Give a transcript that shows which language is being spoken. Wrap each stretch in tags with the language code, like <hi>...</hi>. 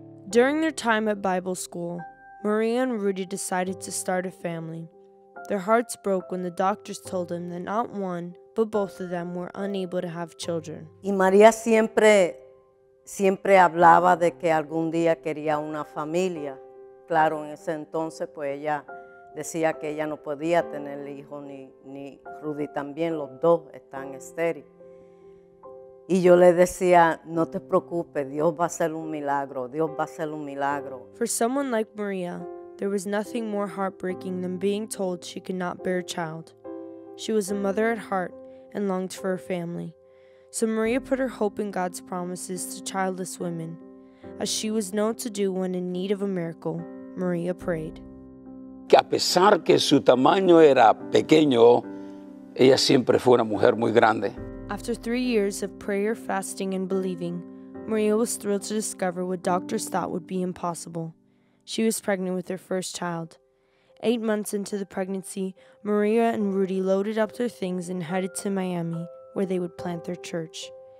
<en>During their time at Bible school, Maria and Rudy decided to start a family. Their hearts broke when the doctors told them that not one, but both of them were unable to have children.</en> <es>Y María siempre, siempre hablaba de que algún día quería una familia. Claro, en ese entonces, pues ella decía que ella no podía tener el hijo ni Rudy también, los dos están estériles. Y yo le decía, no te preocupes, Dios va a hacer un milagro, Dios va a hacer un milagro.</es> <en>For someone like Maria, there was nothing more heartbreaking than being told she could not bear a child. She was a mother at heart and longed for her family. So Maria put her hope in God's promises to childless women. As she was known to do when in need of a miracle, Maria prayed.</en> <es>Que a pesar que su tamaño era pequeño, ella siempre fue una mujer muy grande.</es> <en>After 3 years of prayer, fasting, and believing, Maria was thrilled to discover what doctors thought would be impossible. She was pregnant with her first child. 8 months into the pregnancy, Maria and Rudy loaded up their things and headed to Miami, where they would plant their church.</en>